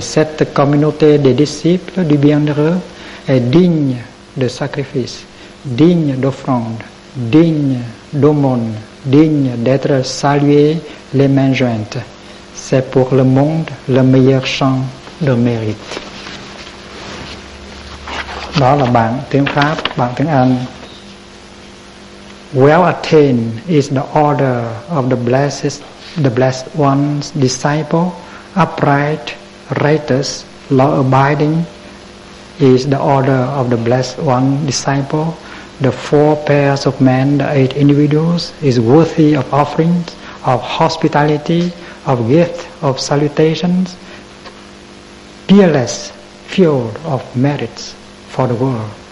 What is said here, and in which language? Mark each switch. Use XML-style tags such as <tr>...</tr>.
<fr>Cette communauté des disciples du bienheureux est digne de sacrifice, digne d'offrande, digne d'aumône, digne d'être salué les mains jointes. C'est pour le monde le meilleur champ de mérite.</fr> <vi>Đó là bản tiếng Pháp, bản tiếng Anh.</vi> <en>Well attained is the order of the blessed one's disciple. Upright, righteous, law abiding is the order of the blessed one's disciple. The four pairs of men, the eight individuals, is worthy of offerings, of hospitality, of gift, of salutations, peerless field of merits for the world.</en>